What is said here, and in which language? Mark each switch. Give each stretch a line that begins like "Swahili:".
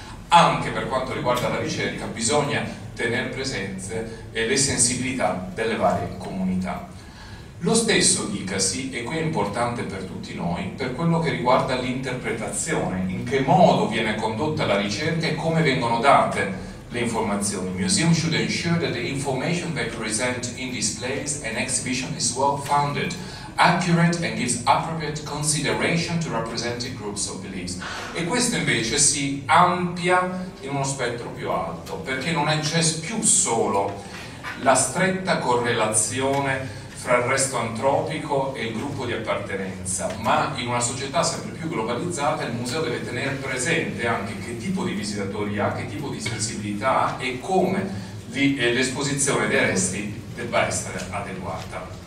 Italian: Anche per quanto riguarda la ricerca bisogna tenere presente le sensibilità delle varie comunità. Lo stesso dicasi, e qui è importante per tutti noi, per quello che riguarda l'interpretazione, in che modo viene condotta la ricerca e come vengono date le informazioni.
English: Museum should ensure that the information they present in displays and exhibition is well-founded, accurate and gives appropriate consideration to representative groups of beliefs.
Italian: E questo invece si amplia in uno spettro più alto, perché non c'è più solo la stretta correlazione fra il resto antropico e il gruppo di appartenenza, ma in una società sempre più globalizzata il museo deve tenere presente anche che tipo di visitatori ha, che tipo di sensibilità ha e come l'esposizione dei resti debba essere adeguata.